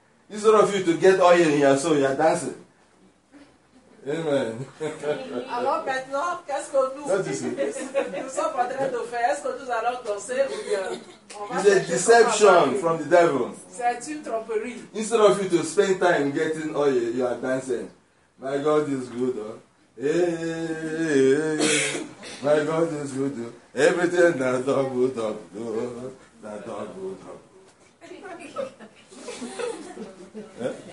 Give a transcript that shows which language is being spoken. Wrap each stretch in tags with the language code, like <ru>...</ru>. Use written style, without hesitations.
<en>Instead of you to get oil in your soul, you are dancing. Amen.</en> <fr>Alors maintenant, qu'est-ce que nous sommes en train de faire? Est-ce que nous allons danser ou bien?</fr> <en>It's a deception from the devil.</en> <fr>C'est une tromperie.</fr> <en>Instead of you to spend time getting oil, you are dancing. My God is good, huh? Hey, my God is good, huh? Everything that dog would do, that dog would do.</en>